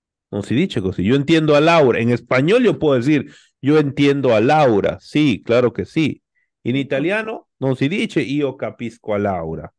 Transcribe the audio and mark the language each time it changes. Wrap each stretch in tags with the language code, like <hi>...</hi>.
<it>No si dice così,</it> <es>yo entiendo a Laura. En español yo puedo decir, yo entiendo a Laura. Sí, claro que sí. En italiano</es> <it>no si dice io capisco a Laura.</it>